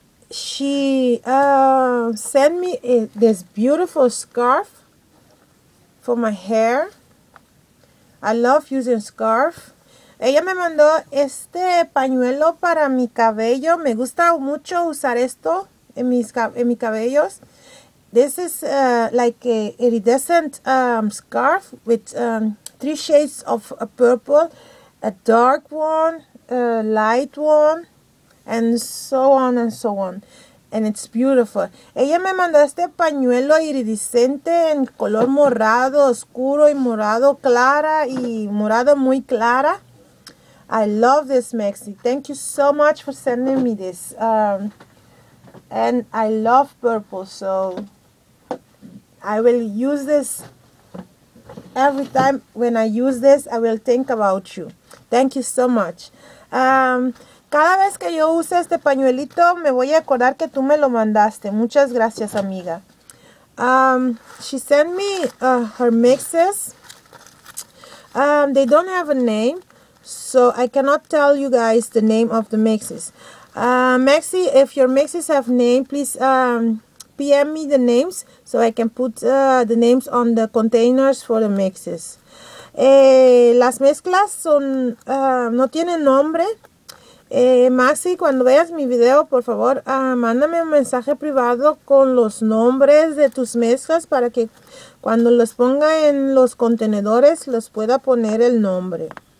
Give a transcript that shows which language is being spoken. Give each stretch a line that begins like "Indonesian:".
English: She sent me this beautiful scarf for my hair. I love using scarf.
Spanish: Ella me mandó este pañuelo para mi cabello. Me gusta mucho usar esto en mis cabellos.
English: This is like a iridescent scarf with three shades of a purple, a dark one, a light one, and so on and so on. And it's beautiful.
Spanish: Ella me mandó este pañuelo iridiscente en color morado, oscuro y morado clara y morado muy clara.
English: I love this, Maxi. Thank you so much for sending me this. And I love purple, so I will use this every time when I use this, I will think about you. Thank you so much.
Spanish: Cada vez que yo use este pañuelito, me voy a acordar que tú me lo mandaste. Muchas gracias, amiga.
English: She sent me her mixes. They don't have a name, so I cannot tell you guys the name of the mixes. Maxi, if your mixes have name, please PM me the names so I can put the names on the containers for the mixes.
Spanish: Las mezclas son no tienen nombre. Maxi, cuando veas mi video, por favor, mándame un mensaje privado con los nombres de tus mezclas para que cuando los ponga en los contenedores, los pueda poner el nombre.